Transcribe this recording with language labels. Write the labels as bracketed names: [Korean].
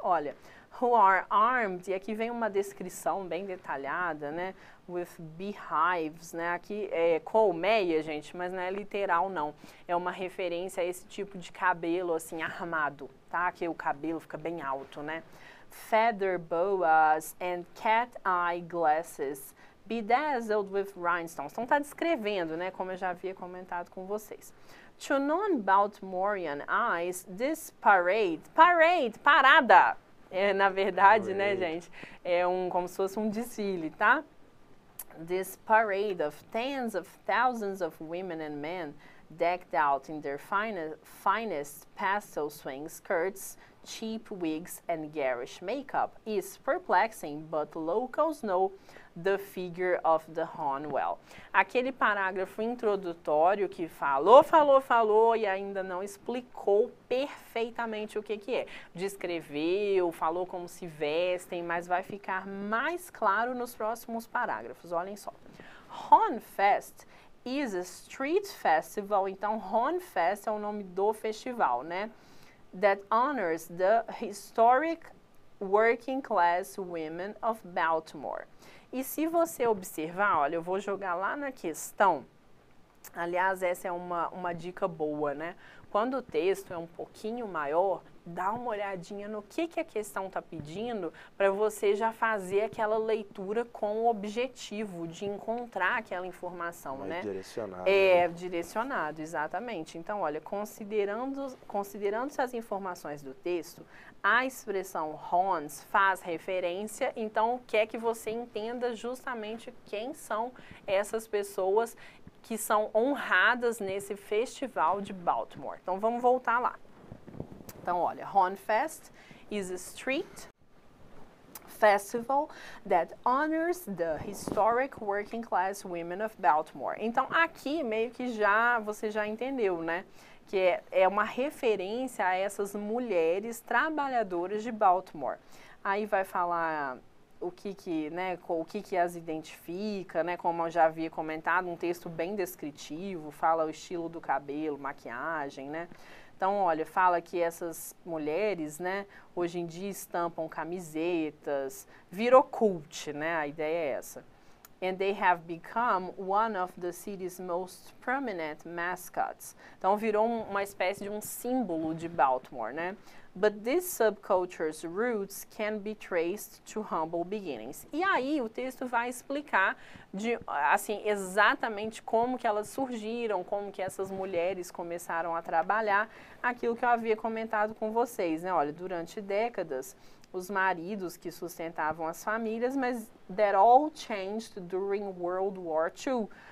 [Portuguese] Olha, [English] who are armed, [Portuguese] e aqui vem uma descrição bem detalhada, né, [English] with beehives, [Portuguese] né, aqui é colmeia, gente, mas não é literal, não. É uma referência a esse tipo de cabelo, assim, armado, tá, que o cabelo fica bem alto, né. [English] Feather boas and cat eye glasses, bedazzled with rhinestones. [Portuguese] Então, tá descrevendo, né, como eu já havia comentado com vocês. [English] To non-Baltimorean eyes, this parade, parade, [Portuguese] parada, é, na verdade, parade, né, gente, é um, como se fosse um desfile, tá? [English] This parade of tens of thousands of women and men decked out in their finest pastel swing skirts, cheap wigs and garish makeup is perplexing, but locals know the figure of the haunt well. [Portuguese] Aquele parágrafo introdutório que falou e ainda não explicou perfeitamente o que que é. Descreveu, falou como se vestem, mas vai ficar mais claro nos próximos parágrafos. Olhem só. [English] Haunt Fest is a street festival. [Portuguese] Então, Haunt Fest é o nome do festival, né? [English] That honors the historic working class women of Baltimore. [Portuguese] E se você observar, olha, eu vou jogar lá na questão, aliás, essa é uma dica boa, né? Quando o texto é um pouquinho maior, dá uma olhadinha no que a questão está pedindo para você já fazer aquela leitura com o objetivo de encontrar aquela informação, mas né? Direcionado, exatamente. Então, olha, considerando-se as informações do texto, a expressão haunts faz referência, então quer que você entenda justamente quem são essas pessoas que são honradas nesse festival de Baltimore. Então, vamos voltar lá. Então, olha, [English] Haunt Fest is a street festival that honors the historic working class women of Baltimore. [Portuguese] Então, aqui, meio que você já entendeu, né? Que é uma referência a essas mulheres trabalhadoras de Baltimore. Aí vai falar o que as identifica, né? Como eu já havia comentado, um texto bem descritivo, fala o estilo do cabelo, maquiagem, né? Então, olha, fala que essas mulheres, né, hoje em dia estampam camisetas, virou cult, né, a ideia é essa. [English] And they have become one of the city's most prominent mascots. [Portuguese] Então, virou uma espécie de um símbolo de Baltimore, né? [English] But this subculture's roots can be traced to humble beginnings. [Portuguese] E aí, o texto vai explicar exatamente como que elas surgiram, como que essas mulheres começaram a trabalhar, aquilo que eu havia comentado com vocês, né? Olha, durante décadas, os maridos que sustentavam as famílias, mas [English] that all changed during World War II.